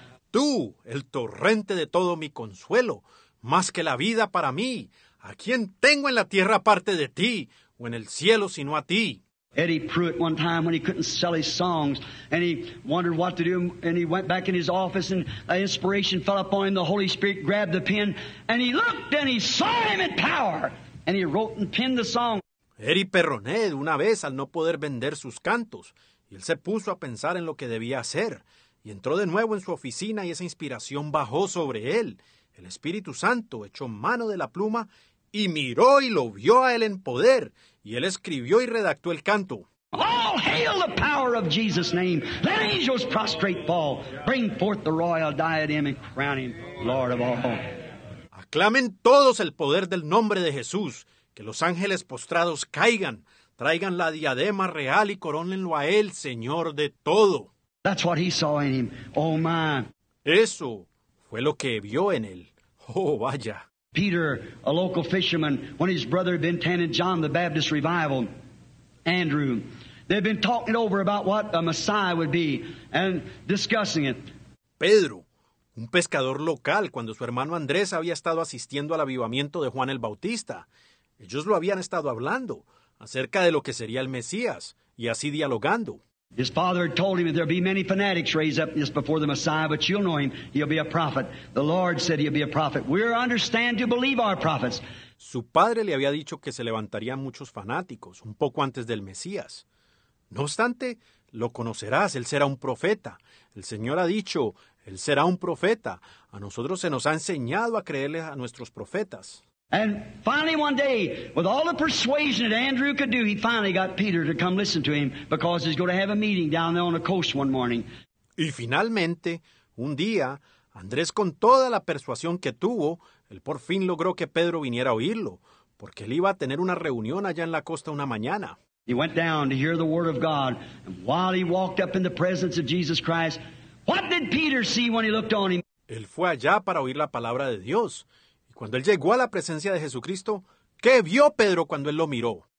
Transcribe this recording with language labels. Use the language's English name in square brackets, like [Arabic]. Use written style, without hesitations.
[Spanish] Tú, el torrente de todo mi consuelo, más que la vida para mí. ¿A quién tengo en la tierra aparte de ti, o en el cielo sino a ti? [English] Eddie Pruitt one time when he couldn't sell his songs, and he wondered what to do, and he went back in his office, and the inspiration fell upon him, the Holy Spirit grabbed the pen, and he looked, and he saw him in power, and he wrote and penned the song. [Spanish] Eddie Perronet una vez al no poder vender sus cantos, y él se puso a pensar en lo que debía hacer, y entró de nuevo en su oficina, y esa inspiración bajó sobre él. El Espíritu Santo echó mano de la pluma y miró y lo vio a él en poder. Y él escribió y redactó el canto. [English] All hail the power of Jesus' name. Let angels prostrate fall. Bring forth the royal diadem and crown him Lord of all. [Spanish] Aclamen todos el poder del nombre de Jesús. Que los ángeles postrados caigan. Traigan la diadema real y corónenlo a él, Señor de todo. [English] That's what he saw in him. Oh, man. [Spanish] Eso fue lo que vio en él. Oh, vaya. [English] Peter, a local fisherman, when his brother had been attending John the Baptist revival, Andrew, they'd been talking it over about what a Messiah would be and discussing it. [Spanish] Pedro, un pescador local, cuando su hermano Andrés había estado asistiendo al avivamiento de Juan el Bautista, ellos lo habían estado hablando acerca de lo que sería el Mesías y así dialogando. [English] His father had told him that there'll be many fanatics raised up just before the Messiah, but you'll know him. He'll be a prophet. The Lord said he'll be a prophet. We understand to believe our prophets. [Spanish] Su padre le había dicho que se levantarían muchos fanáticos un poco antes del Mesías. No obstante, lo conocerás. Él será un profeta. El Señor ha dicho, él será un profeta. A nosotros se nos ha enseñado a creerle a nuestros profetas. [English] And finally one day, with all the persuasion that Andrew could do, he finally got Peter to come listen to him because he's going to have a meeting down there on the coast one morning. [Spanish] Y finalmente, un día, Andrés con toda la persuasión que tuvo, él por fin logró que Pedro viniera a oírlo, porque él iba a tener una reunión allá en la costa una mañana. [English] He went down to hear the word of God, and while he walked up in the presence of Jesus Christ, what did Peter see when he looked on him? [Spanish] Él fue allá para oír la palabra de Dios. Cuando él llegó a la presencia de Jesucristo, ¿qué vio Pedro cuando él lo miró?